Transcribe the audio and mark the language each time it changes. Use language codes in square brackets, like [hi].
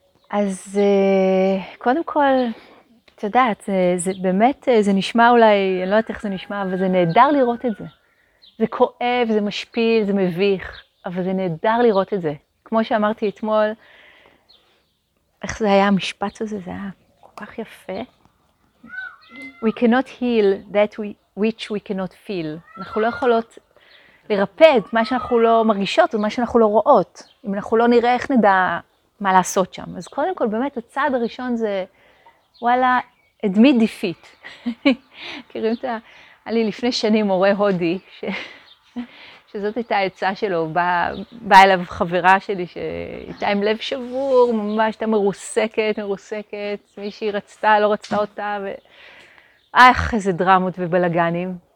[he] אז קודם כל, את יודעת, זה באמת, זה נשמע אולי, אני לא יודעת איך זה נשמע, אבל זה נהדר לראות את זה. זה כואב, זה משפיל, זה מביך, אבל זה נהדר לראות את זה. כמו שאמרתי אתמול, איך זה היה המשפט הזה, זה היה כל כך יפה. [en] We cannot heal that which we cannot feel. [he] אנחנו לא יכולות לרפא את מה שאנחנו לא מרגישות, את מה שאנחנו לא רואות. אם אנחנו לא נראה איך נדע מה לעשות שם. אז קודם כל, באמת, הצעד הראשון זה, וואלה, [en] admit defeat. [he] קוראים את ה... היה לי לפני שנים מורה הודי, שזאת הייתה העצה שלו, באה אליו חברה שלי שהייתה עם לב שבור, ממש הייתה מרוסקת, מי שהיא רצתה, לא רצתה אותה, ואיך, איזה דרמות ובלגנים.